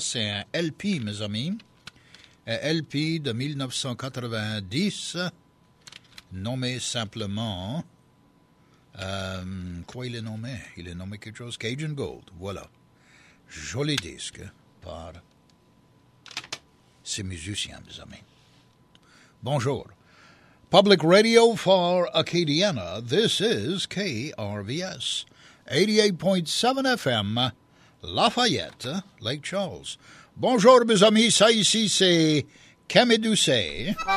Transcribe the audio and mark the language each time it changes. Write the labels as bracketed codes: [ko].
[fr] C'est un LP, mes amis. Un LP de 1990, nommé simplement... quoi il est nommé? Il est nommé quelque chose? Cajun Gold, voilà. Joli disque par ces musiciens, mes amis. Bonjour. [en] Public Radio for Acadiana, this is KRVS, 88.7 FM, Lafayette, Lake Charles. [fr] Bonjour mes amis, ça ici c'est Camille Doucet.